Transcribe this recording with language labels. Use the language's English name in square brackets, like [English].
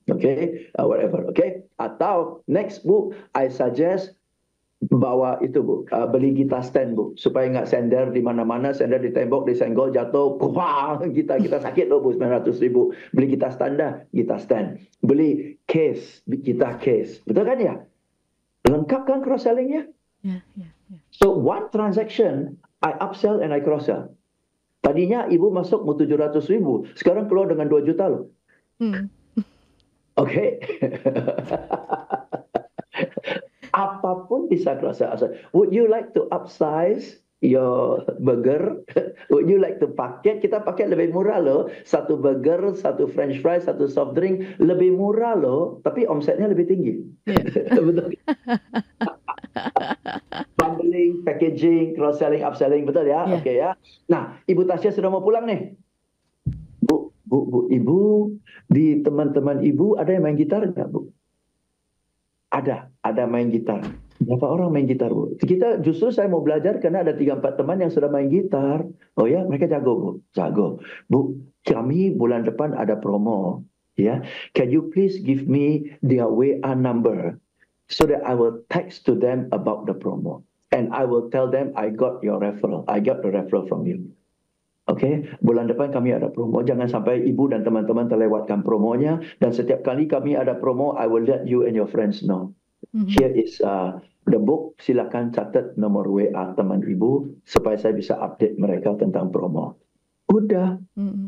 [Indonesian] Oke. Okay? Whatever. Oke. Okay? Atau next, Bu, [English] I suggest [Indonesian] bawa itu, Bu. Beli gitar stand, Bu. Supaya nggak sender di mana-mana, sender di tembok, disenggol, jatuh, kuang, gitar-gitar sakit loh, Bu, 900,000. Beli gitar standar, gitar stand. Beli case, gitar case. Betul kan ya? Lengkap kan cross-sellingnya? [English] Yeah. So, one transaction, I upsell and I cross-sell. [Indonesian] Tadinya ibu masuk mau 700,000, sekarang keluar dengan 2 juta loh. Oke. Apapun bisa cross-sell. [English] Would you like to upsize your burger, would you like to [Indonesian] paket? Kita paket lebih murah loh. Satu burger, satu french fries, satu soft drink, lebih murah loh, tapi omsetnya lebih tinggi. Yeah. Betul. Bundling, packaging, cross-selling, upselling, betul ya? Yeah. Okay, ya. Nah, Ibu Tasya sudah mau pulang nih. Bu, bu, bu, ibu, di teman-teman ibu ada yang main gitar nggak, bu? Ada main gitar. Berapa orang main gitar, bu? Kita justru saya mau belajar karena ada 3-4 teman yang sudah main gitar. Oh ya, mereka jago, bu. Jago. Bu, kami bulan depan ada promo. [English] Ya, can you please give me their WA number so that I will text to them about the promo. And I will tell them I got your referral. I got the referral from you. Oke, okay, [Indonesian] bulan depan kami ada promo. Jangan sampai ibu dan teman-teman terlewatkan promonya. Dan setiap kali kami ada promo, [English] I will let you and your friends know. [Indonesian] Mm-hmm. [English] Here is the book. [Indonesian] Silakan catat nomor WA teman ibu supaya saya bisa update mereka tentang promo. Udah. Mm-hmm.